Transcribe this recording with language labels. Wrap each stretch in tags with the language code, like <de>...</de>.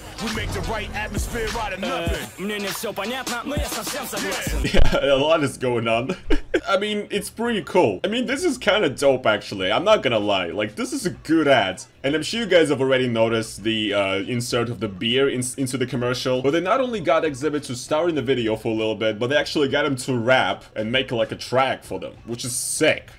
<en>We make the right atmosphere out of nothing.</en> <ru>Мне не все понятно, но я совсем согласен.</ru> <en>Yeah, a lot is going on. I mean, it's pretty cool. I mean, this is kind of dope, actually. I'm not gonna lie. Like, this is a good ad. And I'm sure you guys have already noticed the insert of the beer into the commercial. But they not only got Xzibit to star in the video for a little bit, but they actually got him to rap and make, like, a track for them, which is sick.</en>